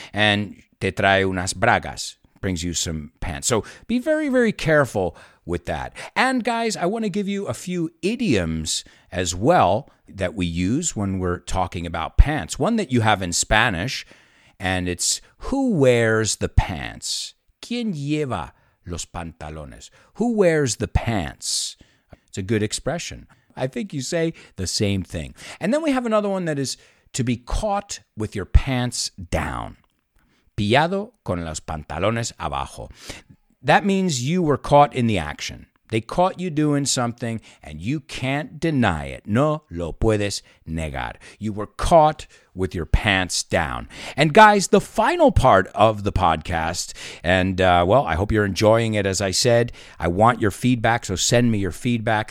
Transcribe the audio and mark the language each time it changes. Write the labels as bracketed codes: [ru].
[en] And [es] te trae unas bragas, [en] brings you some pants. So be very, very careful with that. And guys, I want to give you a few idioms as well that we use when we're talking about pants. One that you have in Spanish, and it's who wears the pants? [es] ¿Quién lleva los pantalones? [en] Who wears the pants? It's a good expression. I think you say the same thing. And then we have another one that is to be caught with your pants down. [es] Pillado con los pantalones abajo. [en] That means you were caught in the action. They caught you doing something and you can't deny it. [es] No lo puedes negar. [en] You were caught with your pants down. And guys, the final part of the podcast, and well, I hope you're enjoying it. As I said, I want your feedback, so send me your feedback.